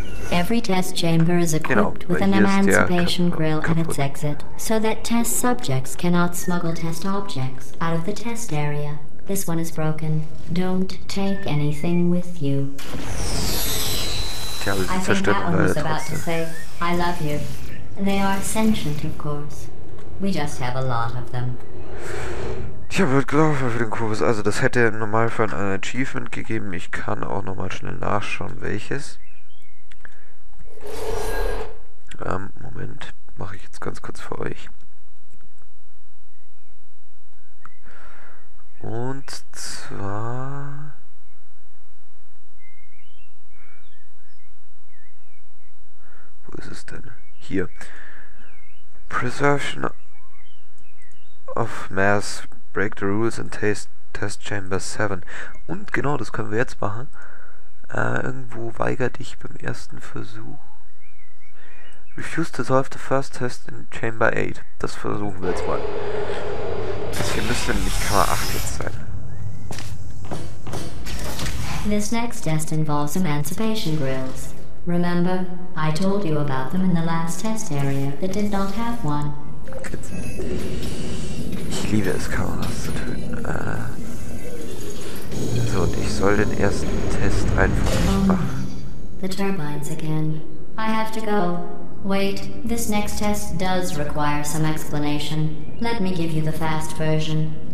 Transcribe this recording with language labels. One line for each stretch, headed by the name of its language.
English: Every test chamber is equipped with an emancipation grill at its exit, so that test subjects cannot smuggle test objects out of the test area. This one is broken. Don't take anything with you.
German: Tja, wir sind zerstört.
English: I think that one was about to say, I love you. They are sentient, of course. We just have a lot of them.
German: Tja, wird gelaufen für den Kurs. Also das hätte im Normalfall ein Achievement gegeben. Ich kann auch nochmal schnell nachschauen, welches. Moment, mache ich jetzt ganz kurz für euch. Und zwar... Wo ist es denn? Hier.
English: Preservation of Mass, Break the Rules in Test Chamber 7.
German: Und genau, das können wir jetzt machen. Irgendwo weigert dich beim ersten Versuch.
English: Refuse to solve the first test in Chamber 8.
German: Das versuchen wir jetzt mal. Das hier müsste nämlich Kammer 8 jetzt sein.
English: This next test involves emancipation grills. Remember, I told you about them in the last test area that did not have one.
German: Ich liebe es, Kameras zu töten. So, und ich soll den ersten Test einfach nicht machen.
English: The turbines again. I have to go. Wait, this next test does require some explanation. Let me give you the fast version.